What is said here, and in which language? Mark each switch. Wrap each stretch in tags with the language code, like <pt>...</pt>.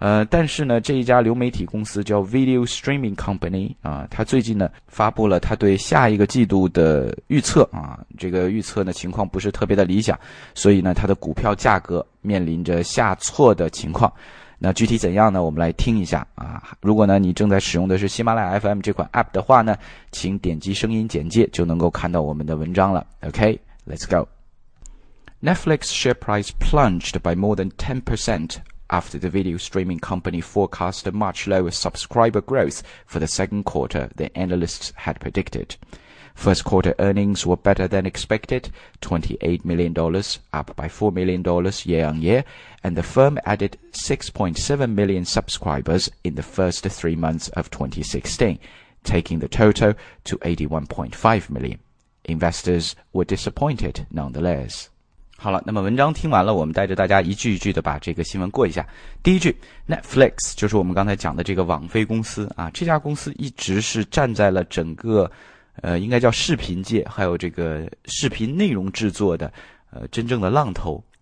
<zh>但是呢这一家流媒体公司叫 Video Streaming Company 啊，它最近呢发布了它对下一个季度的预测啊，这个预测呢情况不是特别的理想，所以呢它的股票价格面临着下挫的情况。那具体怎样呢，我们来听一下啊。如果呢你正在使用的是喜马拉雅 FM 这款 APP 的话呢，请点击声音简介就能够看到我们的文章了。</zh> <en>OK， Let's go。 Netflix share price plunged by more than 10%after the video streaming company forecast a much lower subscriber growth for the second quarter than analysts had predicted. First quarter earnings were better than expected, $28 million, up by $4 million year-on-year, and the firm added 6.7 million subscribers in the first 3 months of 2016, taking the total to 81.5 million. Investors were disappointed nonetheless.</en> <zh>好了，那么文章听完了，我们带着大家一句一句的把这个新闻过一下。第一句 ,Netflix, 就是我们刚才讲的这个网飞公司啊，这家公司一直是站在了整个应该叫视频界还有这个视频内容制作的真正的浪头</zh>